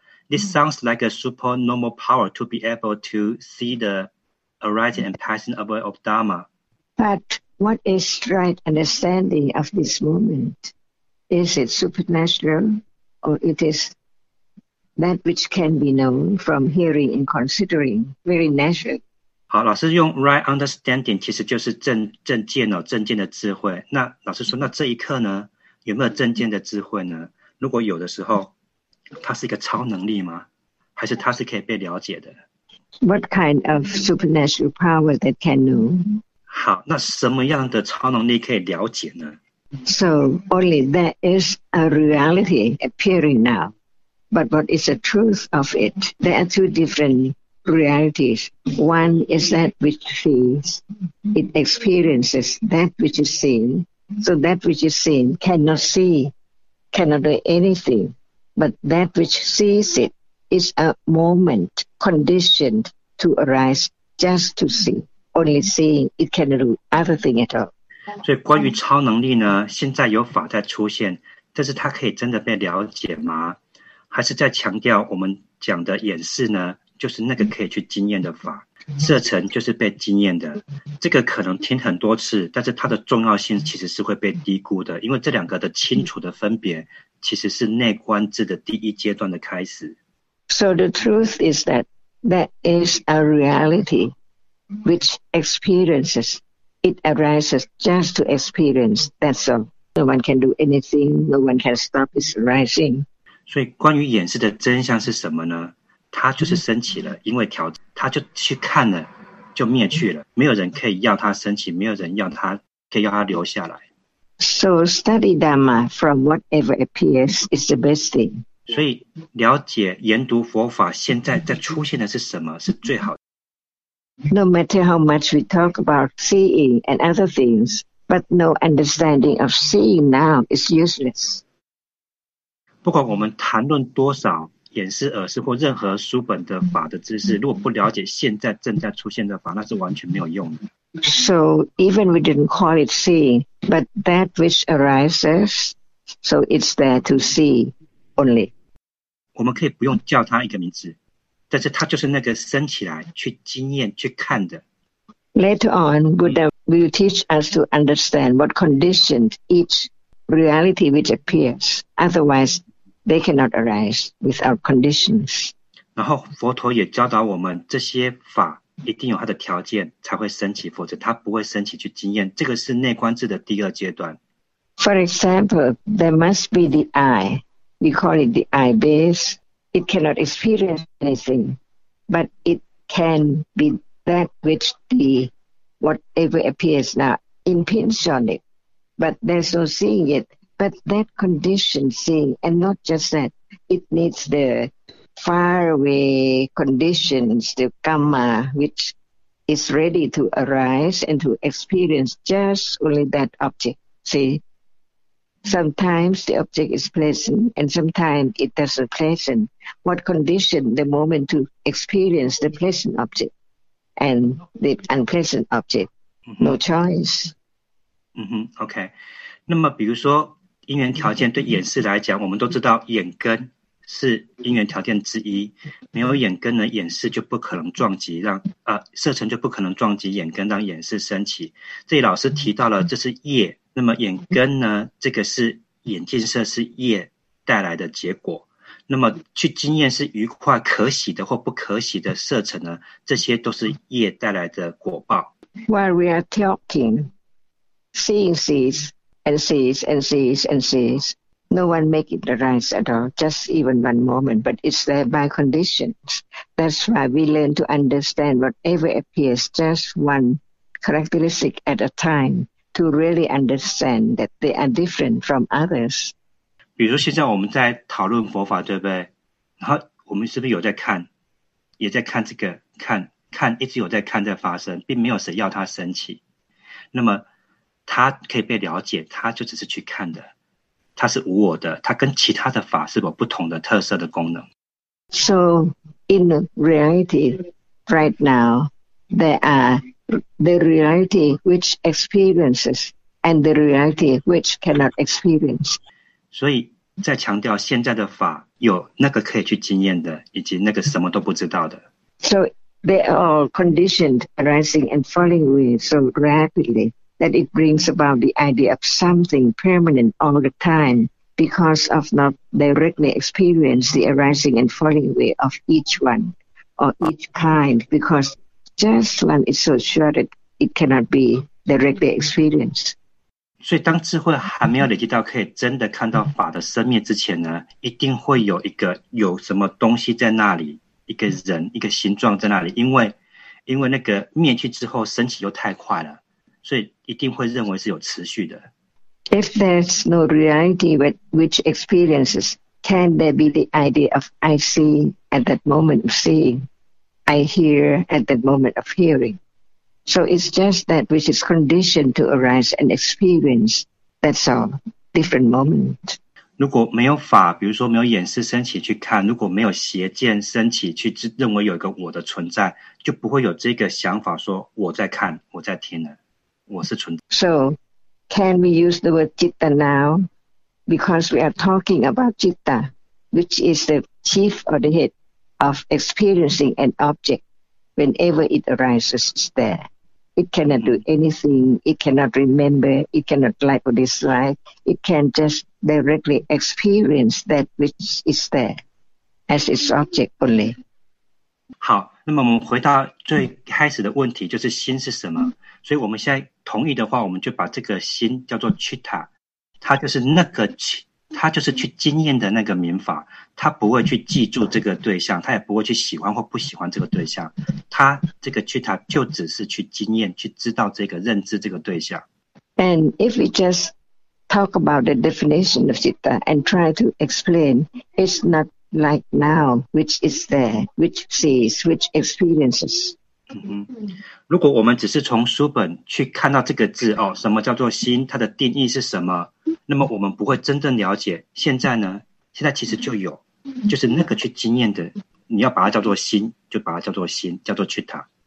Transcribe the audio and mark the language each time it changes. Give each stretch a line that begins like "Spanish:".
English: This sounds like a super normal power to be able to see the arising and passing away of Dharma. But what is right understanding of this moment? Is it supernatural, or it is that which can be known from hearing and considering very natural?
Chinese: 好，老师用
English: right understanding
Chinese: 其实就是正见哦，正见的智慧。那老师说，那这一刻呢，有没有正见的智慧呢？如果有的时候，它是一个超能力吗？还是它是可以被了解的
English: ？What kind of supernatural power that can know?
Chinese: 好，那什么样的超能力可以了解呢
English: ？So only there is a reality appearing now, but what is the truth of it? There are two different. Realities. One is that which sees, it experiences that which is seen. So that which is seen cannot see, cannot do anything. But that which sees it is a moment conditioned to arise just to see. Only seeing, it cannot do other thing at all.
Chinese: 所以关于超能力呢，现在有法在出现，但是它可以真的被了解吗？还是在强调我们讲的演示呢？就是那个可以去经验的法，色尘就是被经验的，这个可能听很多次，但是它的重要性其实是会被低估的，因为这两个的清楚的分别其实是内观智的第一阶段的开始。
English: So the truth is that there is a reality which experiences, it arises just to experience, that's all. No one can do anything, no one can stop its arising.
Chinese: 所以关于演示的真相是什么呢？他就是升起了，因为调整，他就去看了，就灭去了。没有人可以要他升起，没有人要他可以要他留下来。
English: So study Dharma from whatever appears is the best thing.
Chinese: 所以了解研读佛法，现在在出现的是什么是最好的。
English: No matter how much we talk about seeing and other things, but no understanding of seeing now is useless.
Chinese: 不管我们谈论多少。眼识耳识或任何书本的法的知识，如果不了解现在正在出现的法，那是完全没有用的。
English: So even we didn't call it seeing, but that which arises, so it's there to see only.
Chinese: 我们可以不用叫它一个名字，但是它就是那个升起来去经验去看的。
English: Later on, Buddha will teach us to understand what conditioned each reality which appears. Otherwise, They cannot arise without conditions.
Chinese: 然后佛陀也教导我们，这些法一定有它的条件才会升起，否则它不会升起去经验。这个是内观智的第二阶段。
English: For example, there must be the eye. We call it the eye base. It cannot experience anything, but it can be that which the whatever appears now impinges on it. But there's no seeing it. But that condition seeing, and not just that, it needs the faraway conditions, the karma, which is ready to arise and to experience just only that object. See? Sometimes the object is pleasant, and sometimes it doesn't pleasant. What condition the moment to experience the pleasant object and the unpleasant object? No choice. 嗯哼，OK。
Chinese: 那么比如说因缘条件对眼识来讲，我们都知道眼根是因缘条件之一，没有眼根呢，眼识就不可能撞击让色尘就不可能撞击眼根让眼识升起。这里老师提到了这是业，那么眼根呢，这个是眼见色是业带来的结果。那么去经验是愉快可喜的或不可喜的色尘呢，这些都是业带来的果报。
English: While we are talking, seeing sees and sees and sees and sees, no one make it arise at all, just even one moment, but it's there by conditions. That's why we learn to understand whatever appears just one characteristic at a time to really understand that they are different from others.
Chinese: 比如现在我们在讨论佛法，对不对？然后我们是不是有在看，也在看这个，看，看，一直有在看在发生，并没有谁要它升起。那么他可以被了解，他就只是去看的，他是无我的，他跟其他的法是否不同的特色的功能。
English: So in reality right now there are the reality which experiences and the reality which cannot experience.
Chinese: 所以在强调现在的法有那个可以去经验的以及那个什么都不知道的。
English: So they are all conditioned arising and falling away so rapidly that it brings about the idea of something permanent all the time because of not directly experience the arising and falling away of each one or each kind because just one is so short that it cannot be directly experienced.
Chinese: 所以当智慧还没有累积到可以真的看到法的生灭之前呢，一定会有一个有什么东西在那里，一个人，一个形状在那里，因为那个灭去之后升起又太快了。所以一定会认为是有持续的。
English: If there's no reality which experiences, can there be the idea of I see at that moment of seeing, I hear at that moment of hearing? So it's just that which is conditioned to arise and experience. That's all. Different moment.
Chinese: 如果没有法，比如说没有眼识升起去看，如果没有邪见升起去认为有一个我的存在，就不会有这个想法说我在看，我在听了。
English: So, can we use the word citta now? Because we are talking about citta, which is the chief or the head of experiencing an object. Whenever it arises, it's there. It cannot do anything. It cannot remember. It cannot like or dislike. It can just directly experience that which is there as its object only.
Chinese: 好，那么我们回到最开始的问题，就是心是什么？所以我们现在同意的话，我们就把这个心叫做 citta， 它就是那个去，它就是去经验的那个名法，它不会去记住这个对象，它也不会去喜欢或不喜欢这个对象，它这个 citta 就只是去经验，去知道这个认知这个对象。
English: And if we just talk about the definition of citta and try to explain, it's not like now, which is there, which sees, which experiences.
Chinese: 如果我们只是从书本去看到这个字哦，什么叫做心，它的定义是什么，那么我们不会真正了解现在呢，现在其实就有，就是那个去经验的，你要把它叫做心，就把它叫做心，叫做 citta。